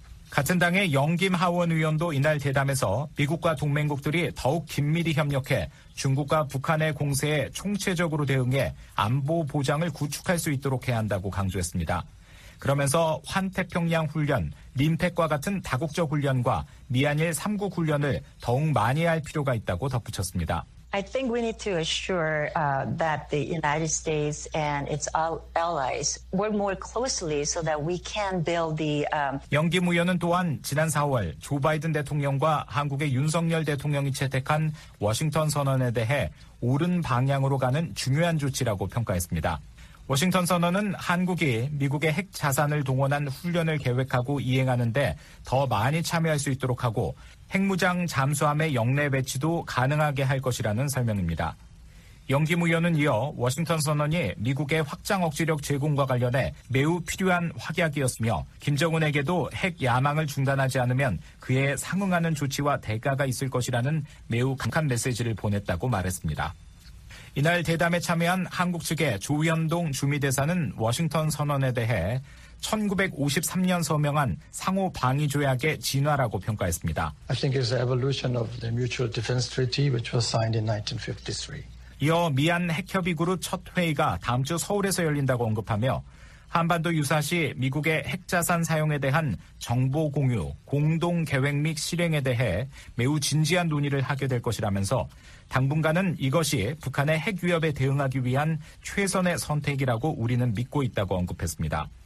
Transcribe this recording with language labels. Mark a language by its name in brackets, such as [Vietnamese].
[Korean] 같은 당의 영김 하원 의원도 이날 대담에서 미국과 동맹국들이 더욱 긴밀히 협력해 중국과 북한의 공세에 총체적으로 대응해 안보 보장을 구축할 수 있도록 해야 한다고 강조했습니다. 그러면서 환태평양 훈련, 림팩과 같은 다국적 훈련과 미한일 3국 훈련을 더욱 많이 할 필요가 있다고 덧붙였습니다. [English] I think we need to assure that the United States and its allies work more closely so that we can build the [Korean] 영김 의원은 또한 지난 4월 조 바이든 대통령과 한국의 윤석열 대통령이 채택한 워싱턴 선언에 대해 옳은 방향으로 가는 중요한 조치라고 평가했습니다. 워싱턴 선언은 한국이 미국의 핵 자산을 동원한 훈련을 계획하고 이행하는 데 더 많이 참여할 수 있도록 하고 핵무장 잠수함의 역내 배치도 가능하게 할 것이라는 설명입니다. 영기 무연은 이어 워싱턴 선언이 미국의 확장 억지력 제공과 관련해 매우 필요한 확약이었으며 김정은에게도 핵 야망을 중단하지 않으면 그에 상응하는 조치와 대가가 있을 것이라는 매우 강한 메시지를 보냈다고 말했습니다. 이날 대담에 참여한 한국 측의 조현동 주미대사는 워싱턴 선언에 대해 1953년 서명한 상호 방위 조약의 진화라고 평가했습니다. [English] I think it's an evolution of the Mutual Defense Treaty which was signed in 1953. [Korean] 이어 미한 핵협의 그룹 첫 회의가 다음 주 서울에서 열린다고 언급하며 한반도 유사시 미국의 핵자산 사용에 대한 정보 공유, 공동 계획 및 실행에 대해 매우 진지한 논의를 하게 될 것이라면서 당분간은 이것이 북한의 핵 위협에 대응하기 위한 최선의 선택이라고 우리는 믿고 있다고 언급했습니다.